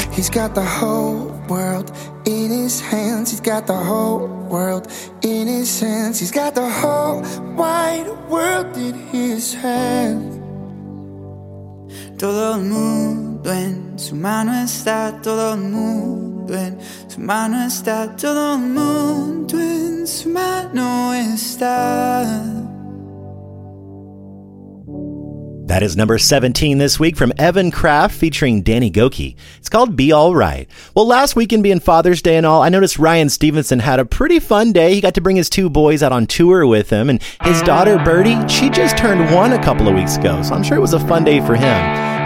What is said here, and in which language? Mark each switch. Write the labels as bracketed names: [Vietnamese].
[English] Got the whole world in his hands. He's got the whole world in his hands. He's got the whole wide world in his hands. [Spanish] Todo el mundo en su mano está. Todo el mundo en su mano está. Todo el mundo en su mano está. [English] That is number 17 this week from Evan Kraft featuring Danny Gokey. It's called Be All Right. Well, last weekend being Father's Day and all, I noticed Ryan Stevenson had a pretty fun day. He got to bring his two boys out on tour with him. And his daughter, Birdie, she just turned one a couple of weeks ago, so I'm sure it was a fun day for him.